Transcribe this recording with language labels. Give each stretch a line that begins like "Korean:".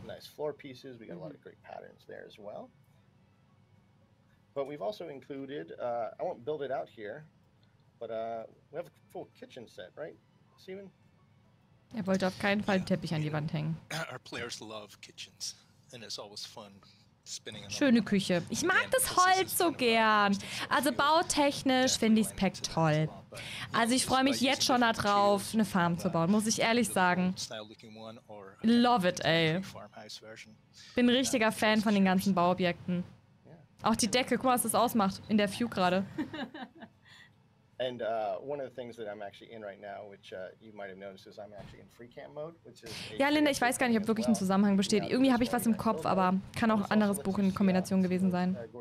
English: Nice floor pieces. We got a lot of great patterns there as well. But we've also included, I won't build it out here, but we have a full kitchen set, right, Steven?
German: Er wollte auf keinen Fall einen Teppich an die Wand hängen.
English: Our players love kitchens, and it's always fun.
German: Schöne Küche. Ich mag das Holz so gern. Also bautechnisch finde ich es Pack toll. Also ich freue mich jetzt schon darauf, eine Farm zu bauen, muss ich ehrlich sagen.
English: Love it, ey.
German: Bin richtiger Fan von den ganzen Bauobjekten. Auch die Decke, guck mal, was das ausmacht in der View gerade.
English: And one of the things that I'm actually in right now, which you might have noticed, is I'm actually in free camp mode, which is.
German: Ja, Linda, ich weiß gar nicht, ob wirklich ein Zusammenhang besteht. Irgendwie habe ich was im Kopf, aber kann auch ein anderes Buch in Kombination gewesen sein.